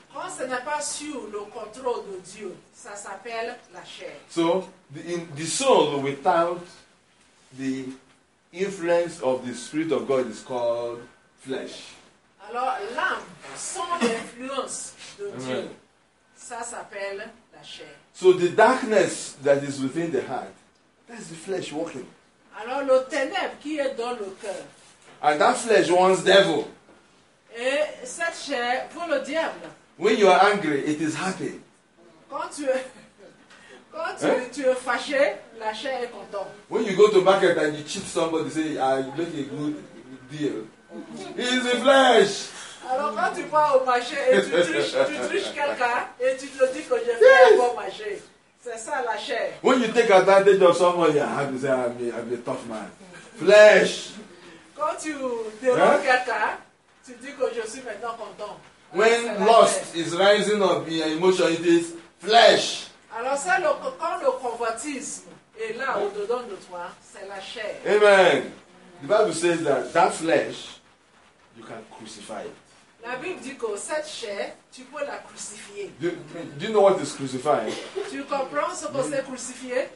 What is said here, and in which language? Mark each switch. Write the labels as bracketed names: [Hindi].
[French] Quand ce n'est pas sur le contrôle de Dieu, ça s'appelle la chair. [English] So, the soul without the influence of the Spirit of God is called flesh. [French] Alors, l'âme sans l'influence de Amen. Dieu, ça s'appelle [English] so the darkness that is within the heart, that's the flesh working. [French] Alors le ténèbre qui est dans le cœur. [English] And that flesh wants devil. [French] Et cette chair veut le diable. [English] When you are angry, it is happy. [French] Quand tu es fâché, la chair est contente. [English] When you go to market and you cheat somebody, say, you make a good deal. It's the flesh. [French] Alors quand tu vas au marché et tu triches quelqu'un et tu te dis que je fais yes. un bon marché, c'est ça la chair. [English] When you take advantage of someone, you have to say I'm a tough man. Flesh. [French] Quand tu dérobes hein? quelqu'un, tu dis que je suis maintenant content. [English] When lust is rising up in your emotion, it is flesh. [French] Alors ça, quand le convoitisme est là au dedans de toi, c'est la chair. [English] Amen. The Bible says that flesh. You can crucify it. [French] La Bible dit que cette chair, tu peux la crucifier. [English] Do you know what is crucifying? [French] Tu comprends ce que c'est crucifier?